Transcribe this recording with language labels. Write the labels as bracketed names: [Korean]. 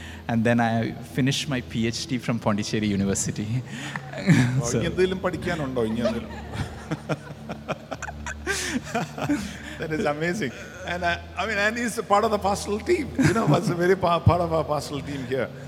[English] And then I finished my PhD from Pondicherry University. [Malayalam] So, എന്തെങ്കിലും പഠിക്കാനുണ്ടോ ഇനി എന്തെങ്കിലും? [English] That is amazing. And I mean, he's a part of the pastoral team. You know, he's a very part of our pastoral team here.